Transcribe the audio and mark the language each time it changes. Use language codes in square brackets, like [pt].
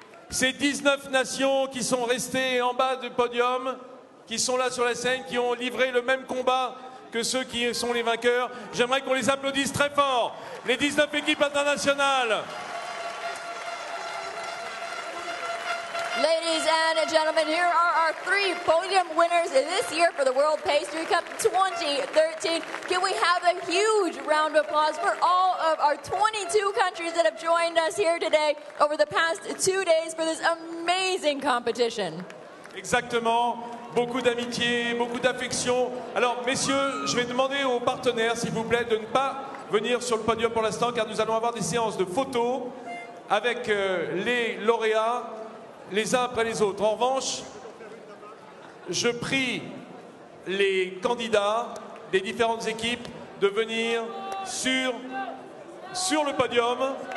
[fr] Ces 19 nations qui sont restées en bas du podium, qui sont là sur la scène, qui ont livré le même combat que ceux qui sont les vainqueurs. J'aimerais qu'on les applaudisse très fort, les 19 équipes internationales. [en] Ladies and gentlemen, here are our three podium winners this year for the World Pastry Cup 2013. Can we have a huge round of applause for all of our 22 countries that have joined us here today over the past 2 days for this amazing competition? [fr] Exactement. Beaucoup d'amitié, beaucoup d'affection. Alors, messieurs, je vais demander aux partenaires, s'il vous plaît, de ne pas venir sur le podium pour l'instant, car nous allons avoir des séances de photos avec les lauréats, les uns après les autres. En revanche, je prie les candidats des différentes équipes de venir sur le podium.